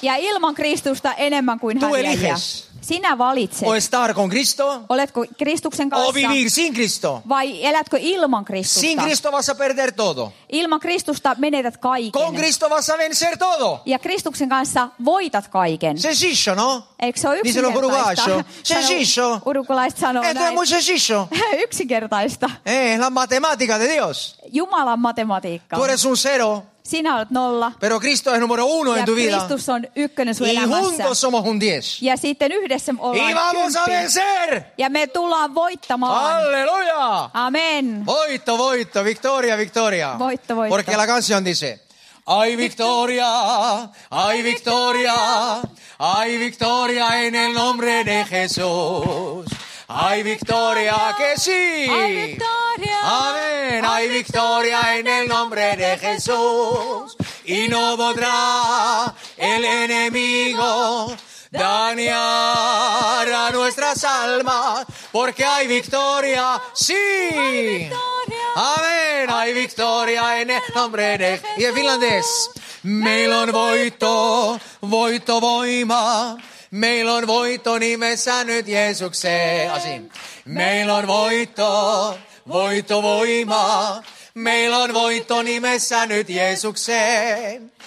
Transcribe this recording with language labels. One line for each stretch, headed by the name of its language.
Finnish: Ja ilman Kristusta enemmän kuin
Spanish: tu
Finnish: häviäjiä.
Spanish: Tú eliges.
Finnish: Sinä valitset.
Spanish: O estar con Cristo.
Finnish: Oletko Kristuksen kanssa?
Spanish: O vivir sin Cristo.
Finnish: Vai elätkö ilman Kristusta?
Spanish: Sin Cristo vas a perder todo.
Finnish: Ilman Kristusta menetät kaiken.
Spanish: Con Cristo vas a vencer todo.
Finnish: Ja Kristuksen kanssa voitat kaiken.
Spanish: Sencillo, no?
Finnish: Eikö se ole yksinkertaista?
Spanish: Sencillo.
Finnish: Urukulaiset sanoo
Spanish: näin. Esto es muy sencillo.
Finnish: Yksinkertaista.
Spanish: La matemática de Dios.
Finnish: Jumalan matematiikka.
Spanish: Tú eres un cero.
Finnish: Sinä olet nolla.
Spanish: Pero Cristo es número uno
Finnish: ja
Spanish: en tu vida.
Finnish: Kristus on ykkönen sun
Spanish: y
Finnish: elämässä.
Spanish: Juntos somos un diez.
Finnish: Ja sitten yhdessä ollaan
Spanish: y vamos
Finnish: kymppi.
Spanish: A vencer.
Finnish: Ja me tullaan voittamaan. Halleluja. Amen. Voitto, voitto,
Spanish: victoria, victoria.
Finnish: Voitto, voitto.
Spanish: Porque la canción dice. Hay victoria, hay victoria, hay victoria en el nombre de Jesús. Hay victoria, que sí. Hay victoria. Amén. Hay victoria en el nombre de Jesús. Y no podrá el enemigo dañar a nuestras almas. Porque hay victoria, sí. Amén. Hay victoria en el nombre de Jesús. Y en finlandés.
Finnish: Meillä on voitto, voitto voima. Meillä on voitto nimessä nyt Jeesukseen. Meillä on voitto, voitto voima. Meillä on voitto nimessä nyt Jeesukseen.